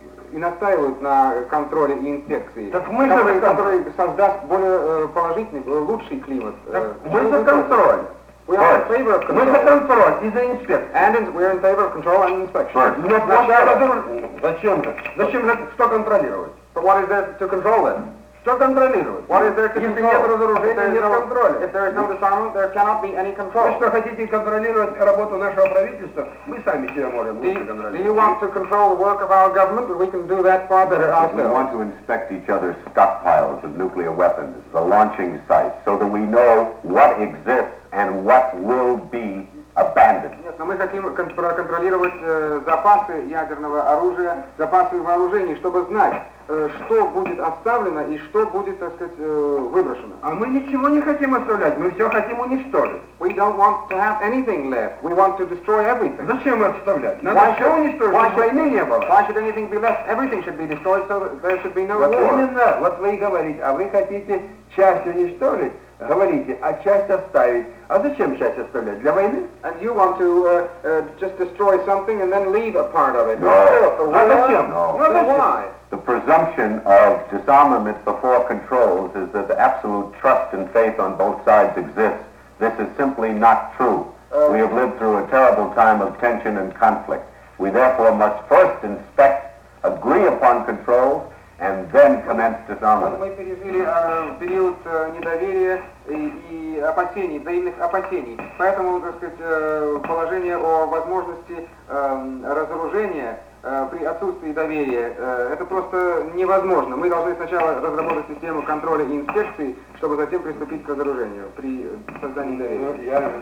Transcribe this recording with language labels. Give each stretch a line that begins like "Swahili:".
Russian: И настаивают на контроле и инспекции. Так мы же который создаст более положительный, лучший климат. Мы за контроль.
English: We are in favor of control.
Russian: Мы за контроль и за инспекцию.
English: And we are in favor of control and inspection.
Russian: Зачем же? Зачем же что контролировать?
English: So what is there to control then?
Russian: Что контролировать?
English: What is there to control?
Russian: Если нет разоружения, нет контроля.
English: If there is no disarmament, there cannot be any control.
Russian: Вы что, хотите контролировать работу нашего правительства? Мы сами себя можем лучше контролировать.
English: Do you want to control the work of our government? We can do that far better ourselves. We want to inspect each other's stockpiles of nuclear weapons, the launching sites, so that we know what exists and what will be abandoned.
Russian: Нет, но мы хотим проконтролировать запасы ядерного оружия, запасы вооружений, чтобы знать, что будет оставлено и что будет, так сказать, выброшено. А мы ничего не хотим оставлять, мы все хотим уничтожить.
English: We don't want to have anything left. We want to destroy everything.
Russian: Зачем оставлять? Надо все уничтожить, чтобы войны не было.
English: Why should anything be left? Everything should be destroyed, so there should be no
Russian: вот
English: war.
Russian: Именно, вот вы и говорите, а вы хотите часть уничтожить? Говорите, а часть оставить? А зачем часть оставлять? Для войны?
English: And you want to just destroy something and then leave a part of it. No! Why? No.
Russian: Зачем?
English: No. No. Why? The presumption of disarmament before controls is that the absolute trust and faith on both sides exists. This is simply not true. We have lived through a terrible time of tension and conflict. We therefore must first inspect, agree upon controls, and then commence disarmament. Мы пережили период недоверия и опасений, взаимных опасений. Поэтому, так сказать, положение о возможности разоружения при отсутствии доверия, это просто невозможно. Мы должны сначала разработать систему контроля и инспекции, чтобы затем приступить к разоружению при создании доверия.